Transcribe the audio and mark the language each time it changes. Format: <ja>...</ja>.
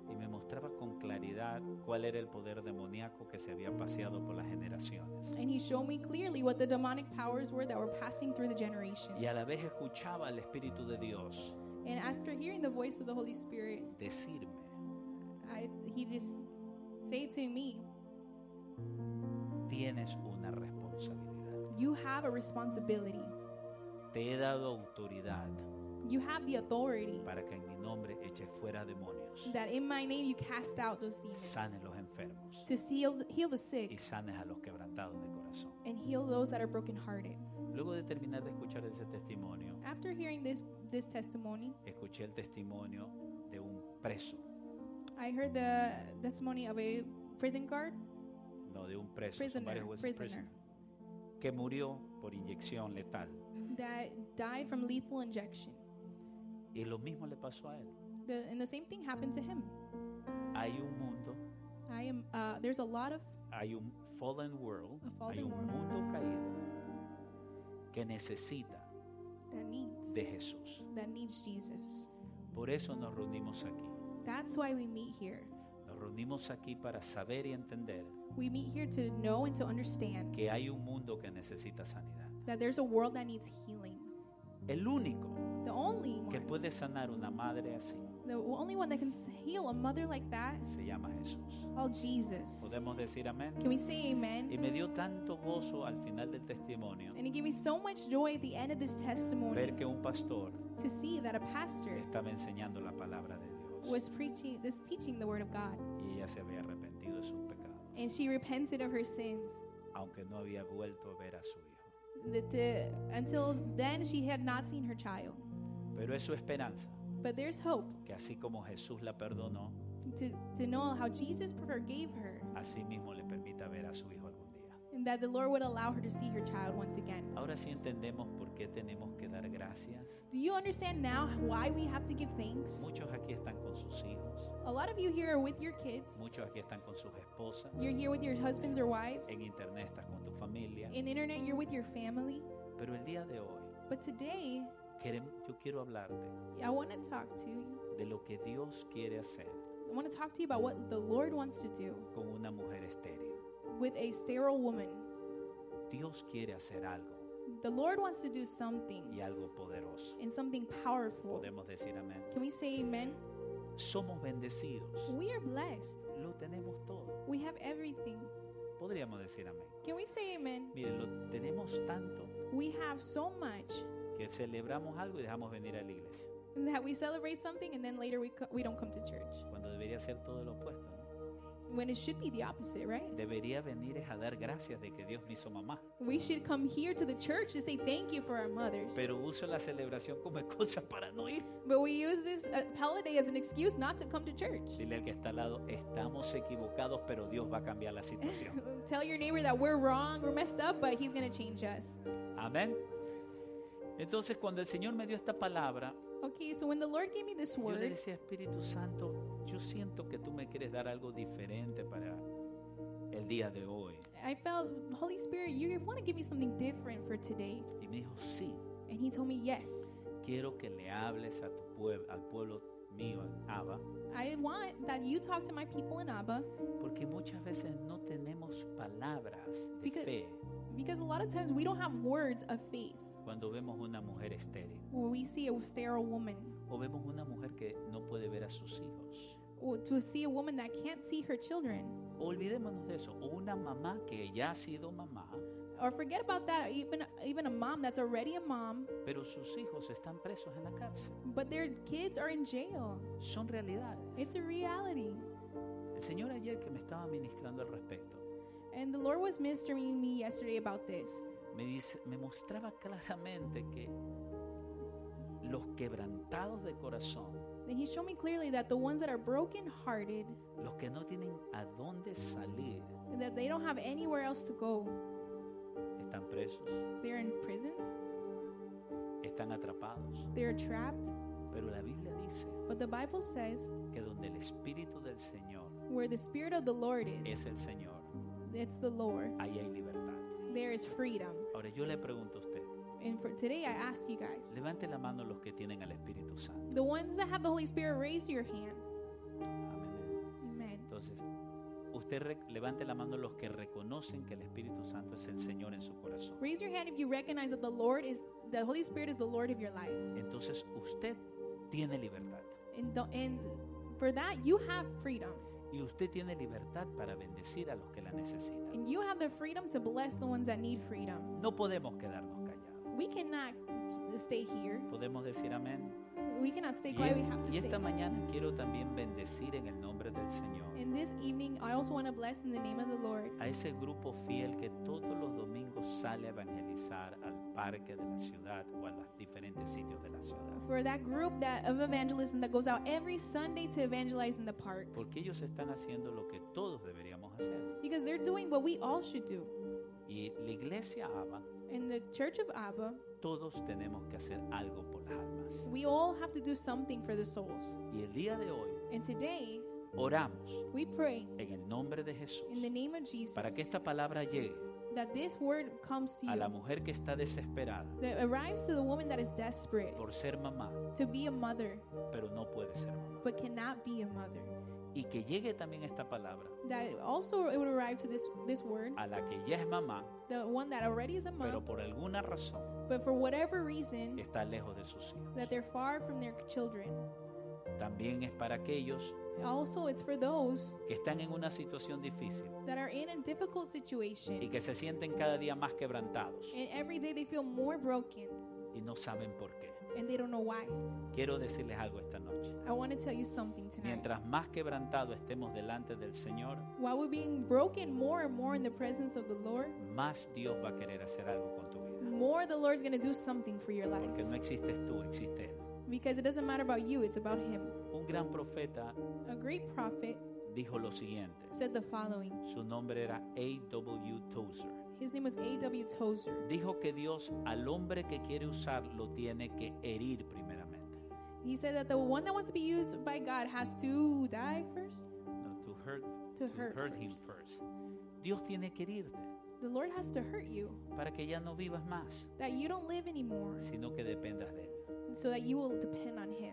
<es>Y me mostraba con claridad cuál era el poder demoníaco que se había paseado por las generaciones.</es> <en>And he showed me clearly what the demonic powers were that were passing through the generations.</en> <es>Y a la vez escuchaba al Espíritu de Dios.</es> <en>And after hearing the voice of the Holy Spirit,</en> <es>decirme,</es> <en>he just said to me,</en> <es>tienes una responsabilidad.</es> <en>You have a responsibility.</en> <es>Te he dado autoridad.</es> <en>You have the authority.</en> <es>Para que en mi nombre eches fuera demonios.</es> <en>That in my name you cast out those demons.</en> <es>Sane los enfermos.</es> <en>To heal the sick.</en> <es>Y sanes a los quebrantados de corazón.</es> <en>And heal those that are brokenhearted.</en> <es>Luego de terminar de escuchar ese testimonio,</es> <en>after hearing this testimony,</en> <es>escuché el testimonio de un preso.</es> <en>I heard the testimony of a prison guard.</en> <es>No, de un preso.</es> <en>Prisoner.</en> <es>Que murió por inyección letal.</es> <en>That died from lethal injection.</en> <es>Y lo mismo le pasó a él.</es> <en>And the same thing happened to him.</en> <es>Hay un mundo.</es> <en>There's a lot of.</en> <es>Hay un</es> <en>fallen world. A fallen</en> <es>hay un</es> <en>world.</en> <es>Mundo caído. Que necesita.</es> <en>That needs.</en> <es>De Jesús.</es> <en>That needs Jesus.</en> <es>Por eso nos reunimos aquí.</es> <en>That's why we meet here.</en> <es>Nos reunimos aquí para saber y entender.</es> <en>We meet here to know and to understand.</en> <es>Que hay un mundo que necesita sanidad.</es> <en>That there's a world that needs healing.</en> <es>El único.</es> <en>The only one.</en> <es>Que puede sanar una madre así.</es> <en>The only one that can heal a mother like that.</en> <es>Se llama Jesús.</es> <en>Called Jesus.</en> <es>Podemos decir amén.</es> <en>Can we say amen?</en> <es>Y me dio tanto gozo al final del testimonio.</es> <en>And it gave me so much joy at the end of this testimony.</en> <es>Ver que un pastor.</es> <en>To see that a pastor.</en> <es>Estaba enseñando la palabra de Dios.</es> <en>Was preaching, this teaching the word of God.</en> <es>Y ella se había arrepentido de sus pecados.</es> <en>And she repented of her sins.</en> <es>Aunque no había vuelto a ver a su hijo.</es> <en>Until then she had not seen her child.</en> <es>Pero es su esperanza.</es> <en>But there's hope.</en> <es>Que así como Jesús la perdonó,</es> <en>to know how Jesus forgave her.</en> <es>Así mismo le permita ver a su hijo algún día.</es> <en>And that the Lord would allow her to see her child once again.</en> <es>Ahora sí entendemos por qué tenemos que dar gracias.</es> <en>Do you understand now why we have to give thanks?</en> <es>Muchos aquí están con sus hijos.</es> <en>A lot of you here are with your kids.</en> <es>Muchos aquí están con sus esposas.</es> <en>You're here with your husbands or wives.</en> <es>En internet estás con tu familia.</es> <en>In internet you're with your family.</en> <es>Pero el día de hoy,</es> <en>but today,</en> <es>yo quiero hablarte.</es> <en>I want to talk to you.</en> <es>De lo que Dios quiere hacer.</es> <en>I want to talk to you about what the Lord wants to do.</en> <es>Con una mujer estéril.</es> <en>With a sterile woman.</en> <es>Dios quiere hacer algo.</es> <en>The Lord wants to do something.</en> <es>Y algo poderoso.</es> <en>And something powerful.</en> <es>Podemos decir amén.</es> <en>Can we say amen?</en> <es>Somos bendecidos.</es> <en>We are blessed.</en> <es>Lo tenemos todo.</es> <en>We have everything.</en> <es>Podríamos decir amén.</es> <en>Can we say amen?</en> <es>Miren, lo tenemos tanto.</es> <en>We have so much.</en> <es>Que celebramos algo y dejamos venir a la iglesia.</es> <en>That we celebrate something and then later we don't come to church.</en> <es>Cuando debería ser todo lo opuesto, ¿no?</es> <en>When it should be the opposite, right?</en> <es>Debería venir es a dar gracias de que Dios me hizo mamá.</es> <en>We should come here to the church to say thank you for our mothers.</en> <es>Pero uso la celebración como excusa para no ir.</es> <en>But we use this holiday as an excuse not to come to church.</en> <es>Dile al que está al lado, estamos equivocados, pero Dios va a cambiar la situación.</es> <en>Tell your neighbor that we're wrong, we're messed up, but he's going to change us.</en> <es>Amén. Entonces cuando el Señor me dio esta palabra,</es> <en>okay, so when the Lord gave me this word,</en> <es>yo le decía, Espíritu Santo, yo siento que tú me quieres dar algo diferente para el día de hoy.</es> <en>I felt, Holy Spirit, you want to give me something different for today.</en> <es>Y me dijo, sí.</es> <en>And he told me, yes.</en> <es>Quiero que le hables a tu pueblo, al pueblo mío, Abba.</es> <en>I want that you talk to my people in Abba.</en> <es>Porque muchas veces no tenemos palabras de fe.</es> <en>Because a lot of times we don't have words of faith.</en> <es>Cuando vemos una mujer estéril,</es> <en>we see a sterile woman,</en> <es>o vemos una mujer que no puede ver a sus hijos,</es> <en>to see a woman that can't see her children,</en> <es>olvidémonos de eso, o una mamá que ya ha sido mamá,</es> <en>or forget about that, even a mom that's already a mom,</en> <es>pero sus hijos están presos en la cárcel,</es> <en>but their kids are in jail,</en> <es>son realidades,</es> <en>it's a reality.</en> <es>El Señor ayer que me estaba ministrando al respecto,</es> <en>and the Lord was ministering me yesterday about this.</en> <es>Me mostraba claramente que los quebrantados de corazón,</es> <en>and he showed me clearly that the ones that are broken hearted,</en> <es>los que no tienen a dónde salir,</es> <en>that they don't have anywhere else to go,</en> <es>están presos,</es> <en>they're in prisons,</en> <es>están atrapados.</es> <en>They are trapped.</en> <es>Pero la Biblia dice,</es> <en>but the Bible says,</en> <es>que donde el Espíritu del Señor,</es> <en>where the Spirit of the Lord is,</en> <es>es el Señor,</es> <en>it's the Lord,</en> <es>ahí hay libertad.</es> <en>There is freedom.</en> <es>Ahora yo le pregunto a usted,</es> <en>and for today I ask you guys,</en> <es>levante la mano los que tienen al Espíritu Santo.</es> <en>The ones that have the Holy Spirit, raise your hand.</en> <es>Amén. Entonces, usted levante la mano los que reconocen que el Espíritu Santo es el Señor en su corazón.</es> <en>Raise your hand if you recognize that the Holy Spirit is the Lord of your life.</en> <es>Entonces usted tiene libertad.</es> <en>And for that you have freedom.</en> <es>Y usted tiene libertad para bendecir a los que la necesitan.</es> <en>And you have the freedom to bless the ones that need freedom.</en> <es>No podemos quedarnos callados.</es> <en>We cannot stay here.</en> <es>Podemos decir amén.</es> <en>We cannot stay quiet. We have to say.</en> <es>Y esta mañana quiero también bendecir en el nombre del Señor.</es> <en>And this evening I also want to bless in the name of the Lord.</en> <es>A ese grupo fiel que todos los domingos sale a evangelizar al parque de la ciudad o a los diferentes sitios de la ciudad.</es> <en>For that group that of evangelism that goes out every Sunday to evangelize in the park.</en> <es>Porque ellos están haciendo lo que todos deberíamos hacer.</es> <en>Because they're doing what we all should do.</en> <es>Y la iglesia Abba.</es> <en>In the church of Abba.</en> <es>Todos tenemos que hacer algo por las almas.</es> <en>We all have to do something for the souls.</en> <es>Y el día de hoy,</es> <en>and today,</en> <es>oramos,</es> <en>we pray,</en> <es>en el nombre de Jesús,</es> <en>in the name of Jesus,</en> <es>para que esta palabra llegue,</es> <en>that this word comes to you,</en> <es>a la mujer que está desesperada,</es> <en>that arrives to the woman that is desperate,</en> <es>por ser mamá,</es> <en>to be a mother,</en> <es>pero no puede ser mamá,</es> <en>but cannot be a mother.</en> <es>Y que llegue también esta palabra,</es> <en>that also it would arrive to this word,</en> <es>a la que ya es mamá,</es> <en>the one that already is a mom,</en> <es>pero por alguna razón,</es> <en>but for whatever reason,</en> <es>está lejos de sus hijos,</es> <en>that they're far from their children.</en> <es>También es para aquellos,</es> <en>also it's for those,</en> <es>que están en una situación difícil,</es> <en>that are in a difficult situation,</en> <es>y que se sienten cada día más quebrantados,</es> <en>and every day they feel more broken,</en> <es>y no saben por qué,</es> <en>and they don't know why.</en> <es>Quiero decirles algo esta noche.</es> <en>I want to tell you something tonight.</en> <es>Mientras más quebrantado estemos delante del Señor,</es> <en>while we're being broken more and more in the presence of the Lord,</en> <es>más Dios va a querer hacer algo con tu vida.</es> <en>More the Lord's going to do something for your life.</en> <es>Porque no existes tú, existe Él.</es> <en>Because it doesn't matter about you, it's about Him.</en> <es>Un gran profeta,</es> <en>a great prophet,</en> <es>dijo lo siguiente.</es> <en>Said the following.</en> <es>Su nombre era A.W. Tozer.</es> <en>His name was A.W. Tozer.</en> <es>Dijo que Dios al hombre que quiere usar lo tiene que herir primeramente.</es> <en>He said that the one that wants to be used by God has to die first. No, to hurt. To hurt him first.</en> <es>Dios tiene que herirte.</es> <en>The Lord has to hurt you.</en> <es>Para que ya no vivas más.</es> <en>That you don't live anymore.</en> <es>Sino que dependas de Él.</es> <en>So that you will depend on Him.</en>